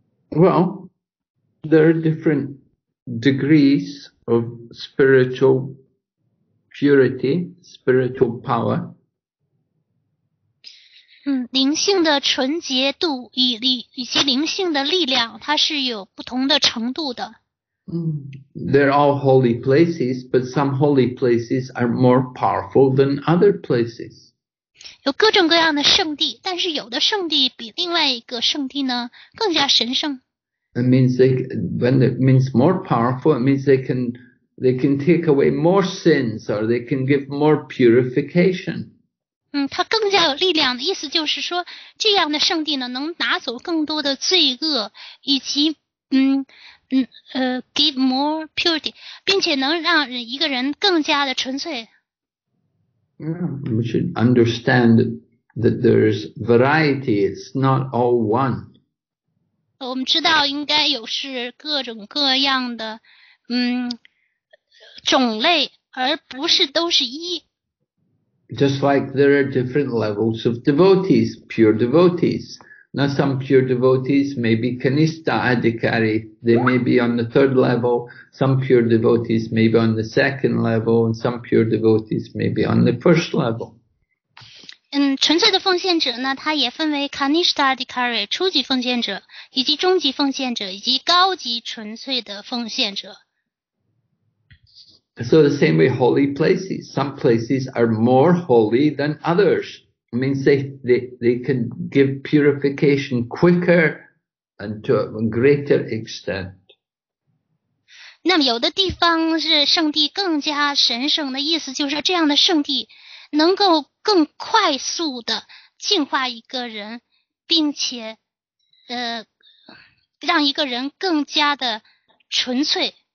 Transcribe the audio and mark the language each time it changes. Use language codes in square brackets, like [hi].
[en] Well, there are different degrees of spiritual purity, spiritual power. [zh] 灵性的纯洁度以及灵性的力量，它是有不同的程度的。 [en] They're all holy places, but some holy places are more powerful than other places. [zh] 有各种各样的圣地，但是有的圣地比另外一个圣地呢更加神圣。 [en] It means they, when it means more powerful, it means they can They can take away more sins, or they can give more purification. [zh] 它更加有力量的意思就是说，这样的圣地呢，能拿走更多的罪恶，以及 [en] give more purity， [zh] 并且能让一个人更加的纯粹。 [en] Yeah, we should understand that there's variety. It's not all one. [zh] 我们知道应该有是各种各样的，种类，而不是都是一。 [en] Just like there are different levels of devotees, pure devotees. Now some pure devotees may be Kanista Adhikari. They may be on the third level. Some pure devotees may be on the second level. And some pure devotees may be on the first level. [zh] 纯粹的奉献者呢，他也分为 Kanista Adhikari 初级奉献者，以及中级奉献者，以及高级纯粹的奉献者。 [en] So the same way, holy places. Some places are more holy than others. It means they can give purification quicker and to a greater extent. [zh] 那么有的地方是圣地更加神圣的意思，就是这样的圣地能够更快速的净化一个人，并且让一个人更加的纯粹。